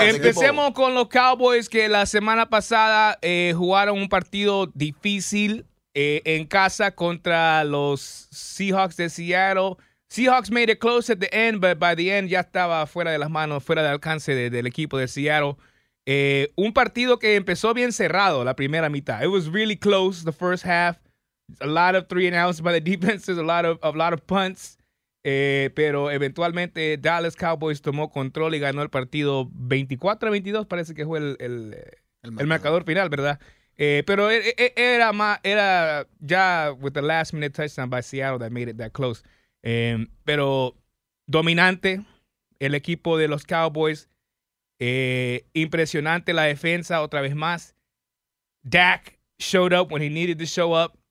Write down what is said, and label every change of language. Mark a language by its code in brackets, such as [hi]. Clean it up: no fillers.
[es] Empecemos con los Cowboys, que la semana pasada jugaron un partido difícil en casa contra los Seahawks de Seattle. [en] Seahawks made it close at the end, [es] but by the end ya estaba fuera de las manos, fuera de alcance del equipo de Seattle. Un partido que empezó bien cerrado la primera mitad. [en] It was really close the first half. A lot of three and outs by the defenses, a lot of punts. [es] Pero eventualmente Dallas Cowboys tomó control y ganó el partido 24-22. Parece que fue el marcador final, ¿verdad? Pero era ya [en] with the last minute touchdown by Seattle that made it that close. [es] Pero dominante el equipo de los Cowboys. Impresionante la defensa otra vez más. [en] Dak showed up when he needed to show up.